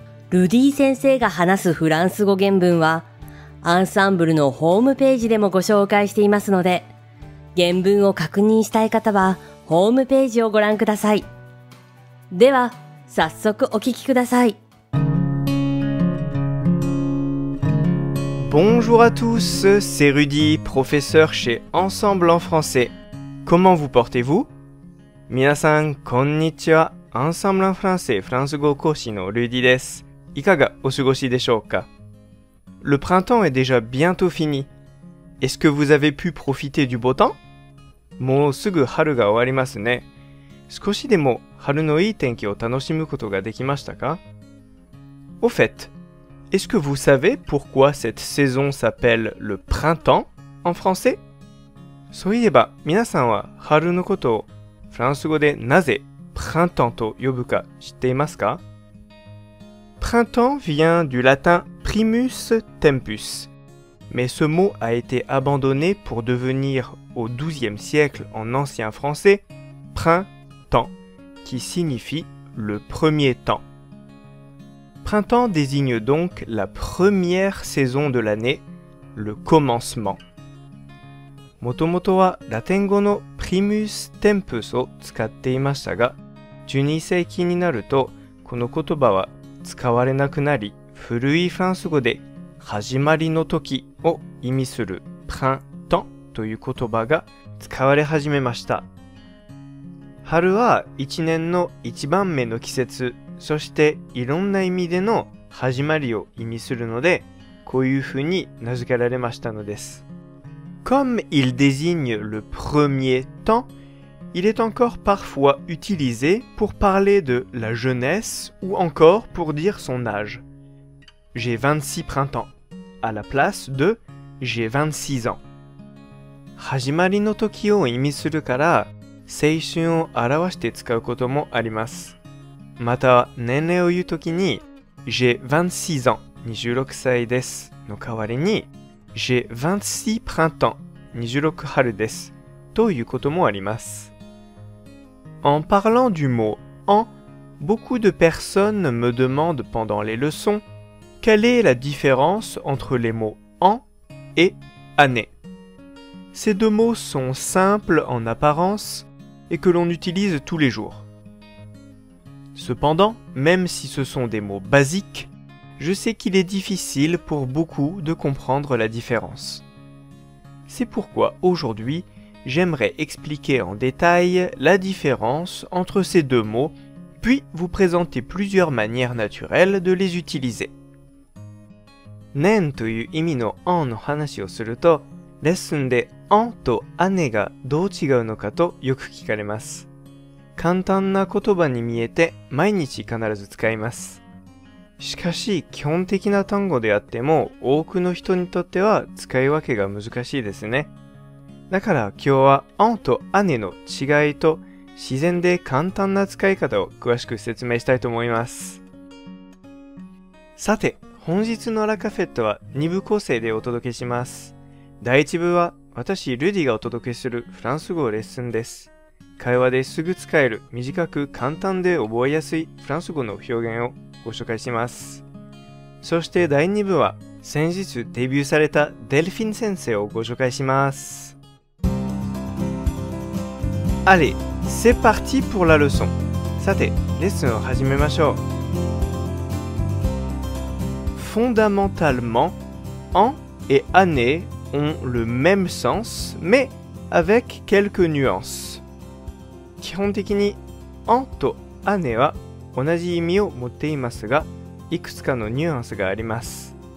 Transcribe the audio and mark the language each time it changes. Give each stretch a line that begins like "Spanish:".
Japanese: ルディ先生が話すフランス語原文はアンサンブルのホームページでもご紹介していますので、原文を確認したい方はホームページをご覧ください。では、早速お聞きください。
French: Bonjour à tous, c'est Rudy, professeur chez Ensemble en français. Comment vous portez-vous?
Japanese: 皆さん、こんにちは。 Ensemble en français, フランス語講師のルディです。いかがお過ごしでしょうか?
French: Le printemps est déjà bientôt fini. Est-ce que vous avez pu profiter du beau temps?
Japanese: もうすぐ春が終わりますね。少しでも春のいい天気を楽しむことができましたか?
French: Au fait, est-ce que vous savez pourquoi cette saison s'appelle le printemps en français?
Japanese: そういえば、皆さんは春のことをフランス語でなぜ printemps と呼ぶか知っていますか?
French: Printemps vient du latin primus tempus, mais ce mot a été abandonné pour devenir au XIIe siècle en ancien français printemps. Temps, qui signifie le premier temps. Printemps désigne donc la première saison de l'année, le commencement.
Japanese: もともとはラテン語の primus tempus を使っていましたが、12世紀になるとこの言葉は使われなくなり、古いフランス語で始まりの時を意味する printemps という言葉が使われ始めました。春は一年の一番目の季節、そしていろんな意味での始まりを意味するので、こういうふうに名付けられましたのです。
French: Comme il désigne le premier temps, il est encore parfois utilisé pour parler de la jeunesse ou encore pour dire son âge. J'ai 26 printemps, à la place de j'ai 26 ans.
Japanese: 始まりの時を意味するから、青春を表して使うこともあります。また、年齢を言うときに、
French: J'ai 26 ans、
Japanese: 26歳です。の代わりに、
French: J'ai 26 printemps、
Japanese: 26春です。ということもあります。
French: En parlant du mot en, beaucoup de personnes me demandent pendant les leçons, quelle est la différence entre les mots en et année? Ces deux mots sont simples en apparence,et que l'on utilise tous les jours. Cependant, même si ce sont des mots basiques, je sais qu'il est difficile pour beaucoup de comprendre la différence. C'est pourquoi aujourd'hui, j'aimerais expliquer en détail la différence entre ces deux mots, puis vous présenter plusieurs manières naturelles de les utiliser.
Japanese: 年という意味の en の話をすると、レッスンで「ん」と「あね」がどう違うのかとよく聞かれます。簡単な言葉に見えて毎日必ず使います。しかし基本的な単語であっても多くの人にとっては使い分けが難しいですね。だから今日は「ん」と「あね」の違いと自然で簡単な使い方を詳しく説明したいと思います。さて本日のラカフェットは2部構成でお届けします。第1部は私、ルディがお届けするフランス語レッスンです。会話ですぐ使える短く簡単で覚えやすいフランス語の表現をご紹介します。そして第2部は先日デビューされたデルフィン先生をご紹介します。
French: Allez, c'est parti pour la leçon!
Japanese: さて、レッスンを始めましょう。
French: Fondamentalement, en et année ont le même sens, mais avec quelques nuances.
Japanese: 基本的に、en と année は同じ意味を持っていますが、いくつかのニュアンスがあります。